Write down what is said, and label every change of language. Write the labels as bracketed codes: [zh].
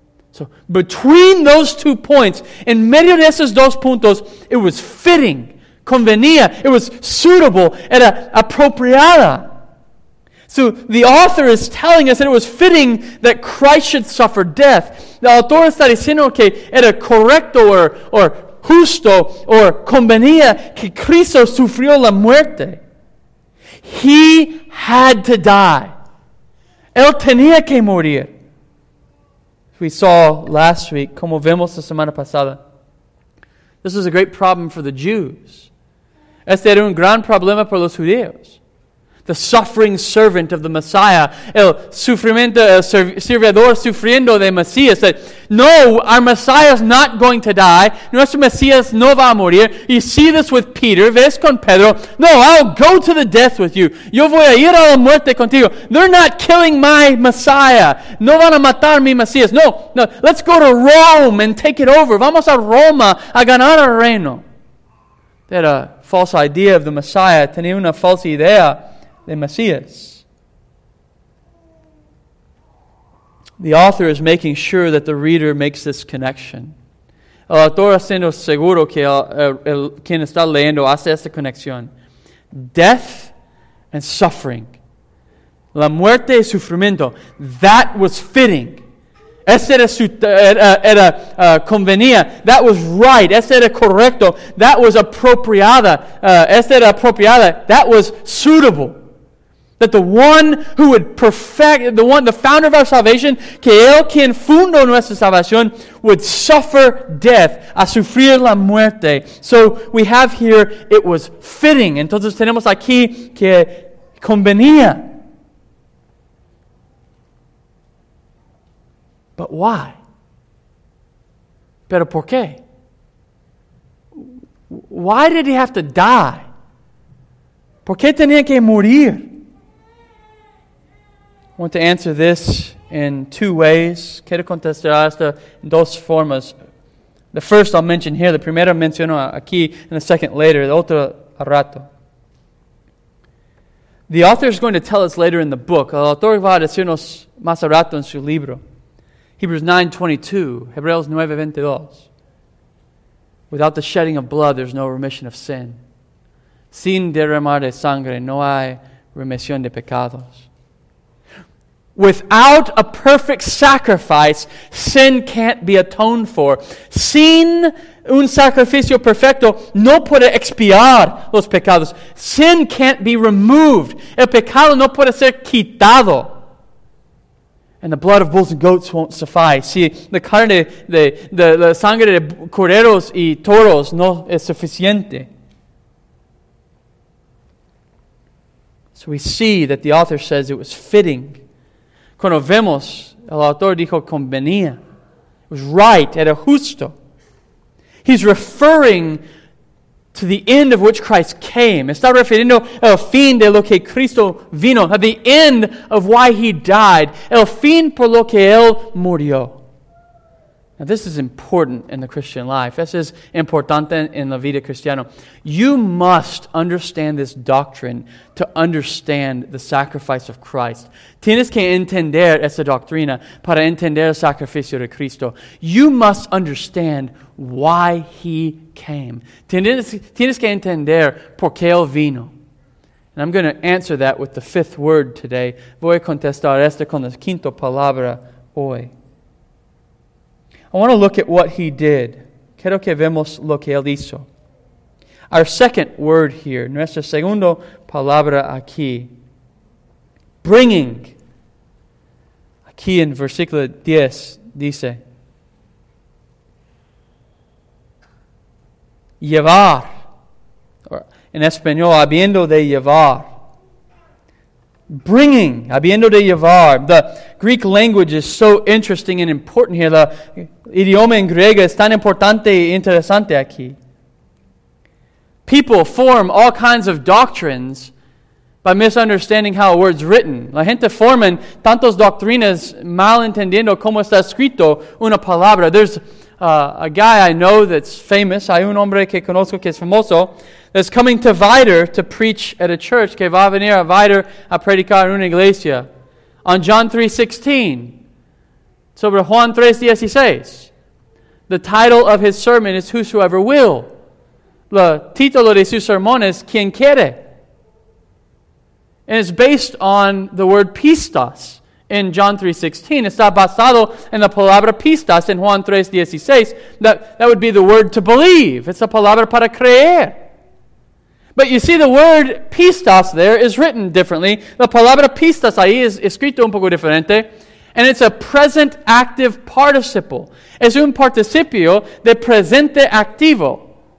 [en] So, between those two points, [es] en medio de esos dos puntos, [en] it was fitting, convenía, it was suitable, [es] era apropiada. [en] So, the author is telling us that it was fitting that Christ should suffer death. [es] The autor está diciendo que era correcto or justo or convenía que Cristo sufrió la muerte. [en] He had to die. [es] Él tenía que morir. [en] We saw last week, [es] como vemos la semana pasada. [en] This was a great problem for the Jews. [es] Este era un gran problema para los judíos. [en] The suffering servant of the Messiah, [es] el sufrimiento, el servidor sufriendo de Mesías, [en] said, no, our Messiah is not going to die. [es] Nuestro Mesías no va a morir. [en] You see this with Peter, [es] ves con Pedro. [en] No, I'll go to the death with you. [es] Yo voy a ir a la muerte contigo. [en] They're not killing my Messiah. [es] No van a matar mi Mesías. [en] No, let's go to Rome and take it over. [es] Vamos a Roma a ganar el reino. [en] They had a false idea of the Messiah. [es] Tenía una falsa idea de Mesías. [en] The author is making sure that the reader makes this connection. [es] El autor haciendo seguro que quien está leyendo hace esta conexión. [en] Death and suffering. [es] La muerte y sufrimiento. [en] That was fitting. [es] Ese era, convenía. [en] That was right. [es] Ese era correcto. [en] That was [es] apropiada. Ese era apropiada. [en] That was suitable. That the one who would perfect, the founder of our salvation, [es] que él quien fundó nuestra salvación, [en] would suffer death, [es] a sufrir la muerte. [en] So we have here, it was fitting. [es] Entonces tenemos aquí que convenía. [en] But why? [es] Pero por qué? [en] Why did he have to die? [es] ¿Por qué tenía que morir? [en] I want to answer this in two ways. [es] Quiero contestar esto en dos formas. [en] The first I'll mention here. The [es] primero menciono aquí, [en] and the second later. [es] The otro al rato. [en] The author is going to tell us later in the book. [es] El autor va a decirnos más al rato en su libro. Hebreos 9:22. [en] Without the shedding of blood, there's no remission of sin. [es] Sin derramar de sangre, no hay remisión de pecados. [en] Without a perfect sacrifice, sin can't be atoned for. [es] Sin un sacrificio perfecto, no puede expiar los pecados. [en] Sin can't be removed. [es] El pecado no puede ser quitado. [en] And the blood of bulls and goats won't suffice. [es] Si la carne de la sangre de corderos y toros no es suficiente. [en] So we see that the author says it was fitting. [es] Cuando vemos, el autor dijo convenía. [en] It was right, [es] era justo. [en] He's referring to the end of which Christ came. [es] Está refiriendo el fin de lo que Cristo vino. [en] At the end of why he died. [es] El fin por lo que él murió. [en] Now, this is important in the Christian life. This is [es] importante en la vida cristiana. [en] You must understand this doctrine to understand the sacrifice of Christ. [es] Tienes que entender esa doctrina para entender el sacrificio de Cristo. [en] You must understand why he came. [es] Tienes que entender por qué él vino. [en] And I'm going to answer that with the fifth word today. [es] Voy a contestar esta con la quinta palabra hoy. [en] I want to look at what he did. [es] Quiero que vemos lo que él hizo. [en] Our second word here, [es] nuestra segunda palabra aquí, bringing. Aquí en versículo 10 dice, llevar. En español, habiendo de llevar. Bringing, habiendo de llevar. [en] The Greek language is so interesting and important here. The [es] idioma en griego es tan importante e interesante aquí. [en] People form all kinds of doctrines by misunderstanding how a word's written. [es] La gente forman tantas doctrinas mal entendiendo cómo está escrito una palabra. [en] There's a guy I know that's famous. [es] Hay un hombre que conozco que es famoso. [en] That's coming to Vider to preach at a church. [es] Que va a venir a Vider a predicar en una iglesia. [en] On John 3:16. [es] Sobre Juan 3:16. [en] The title of his sermon is Whosoever Will. [es] La título de su sermón es Quien Quiere. [en] And it's based on the word pistas in John 3:16. [es] Está basado en la palabra pistas in Juan 3:16. [en] That would be the word to believe. It's a [es] palabra para creer. [en] But you see, the word pistas there is written differently. [es] The palabra pistas ahí es escrito un poco diferente. [en] And it's a present active participle. [es] Es un participio de presente activo.